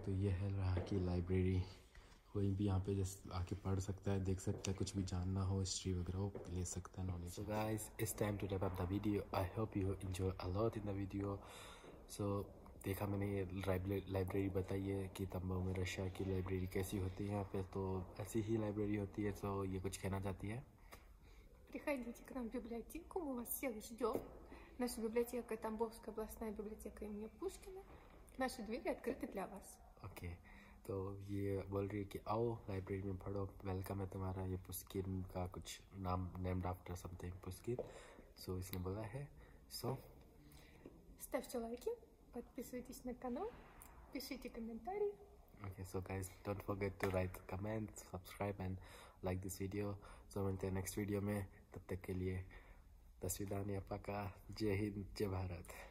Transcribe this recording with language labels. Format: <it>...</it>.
<hi>तो ये है रहा की लाइब्रेरी, कोई भी यहाँ पे जैसे आके पढ़ सकता है, देख सकता है, कुछ भी जानना हो हिस्ट्री वगैरह ले सकता है knowledge.</hi> <en>So guys it's time to wrap up the video, I hope you enjoy a lot in the video.</en> <hi>सो देखा मैंने ये लाइब्रेरी बताई है कि तंबाउ में रशिया की लाइब्रेरी कैसी होती है, यहाँ पे तो ऐसी ही लाइब्रेरी होती है। सो ये कुछ कहना चाहती है,</hi> <ru>приходите к нам в библиотеку, мы вас всех ждём. Наша библиотека Тамбовская областная библиотека имени Пушкина. Наши двери открыты для вас. Окей.</ru> <hi>तो ये बोल रही है कि आओ लाइब्रेरी में पढ़ो, वेलकम है तुम्हारा, ये पुष्किन का कुछ नाम</hi> <en>named after something</en> <hi>पुष्किन, सो इसने बोला है। सो</hi> <ru>ставьте лайки, подписывайтесь на канал, пишите комментарии.</ru> <en>Okay, so guys, don't forget to write comment, subscribe and like this video. So until next video</en> <hi>में, तब तक के लिए</hi> <ru>तस्वीदानिया पाका,</ru> <hi>जय हिंद जय भारत।</hi>